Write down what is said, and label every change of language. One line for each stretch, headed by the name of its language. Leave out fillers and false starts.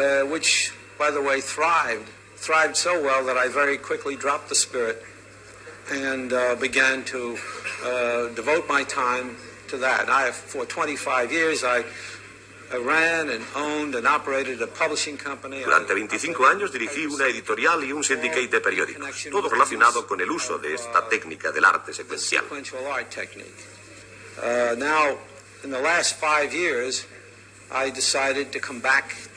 English: Which, by the way, thrived so well that I very quickly dropped the Spirit and began to devote my time to that. I have, for 25 years, I ran and owned and operated a publishing company.
Spanish: Durante 25 años dirigí una editorial y un syndicate de periódicos, todo relacionado con el uso de esta técnica del arte secuencial.
English: Sequential art technique. Now, in the last 5 years, I decided to come back.